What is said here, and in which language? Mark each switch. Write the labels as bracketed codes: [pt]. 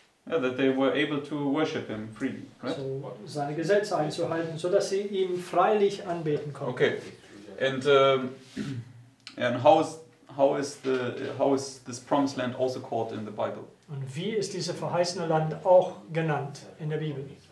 [en] Yeah, that they were able to worship him freely, right? [de] So seine Gesetze einzuhalten, so dass sie ihm freilich anbeten konnten. [en] Okay, and how is this promised land also called in the Bible? [de] Und wie ist dieses verheißene Land auch genannt in der Bibel?